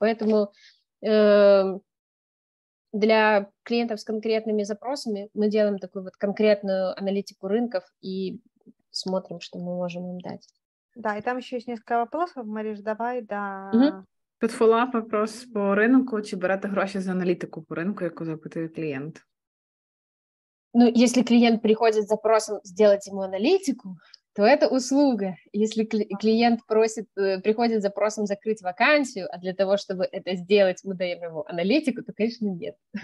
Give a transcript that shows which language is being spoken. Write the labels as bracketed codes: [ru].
[ru] Поэтому для клиентов с конкретными запросами мы делаем такую вот конкретную аналитику рынков и смотрим, что мы можем им дать. Да, и там еще есть несколько вопросов. Мариш, давай, да. Тут фоллоуап вопрос по рынку. [uk] Чи берете гроші за аналитику [ru] по рынку, [uk] яку запитує клиент? [ru] Ну, если клиент приходит с запросом сделать ему аналитику, то это услуга. Если клиент просит, приходит с запросом закрыть вакансию, а для того, чтобы это сделать, мы даем ему аналитику, то, конечно, нет.